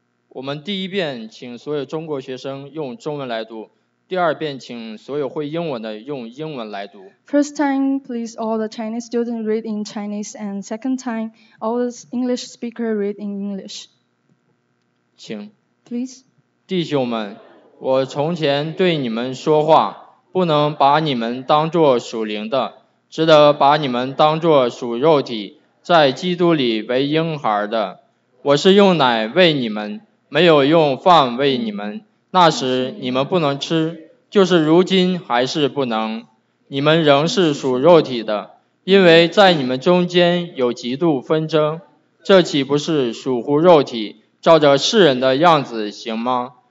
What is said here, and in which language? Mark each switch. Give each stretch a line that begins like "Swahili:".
Chinese: 我们第一遍请所有中国学生用中文来读，第二遍请所有会英文的用英文来读。
English: First time, please all the Chinese students read in Chinese, and second time, all the English speakers read in English.
Chinese: 请。
English: Please.
Chinese: 弟兄们，我从前对你们说话，不能把你们当作属灵的，只得把你们当作属肉体，在基督里为婴孩的。我是用奶喂你们，没有用饭喂你们，那时你们不能吃，就是如今还是不能，你们仍是属肉体的，因为在你们中间有极度纷争，这岂不是属乎肉体，照着世人的样子行吗？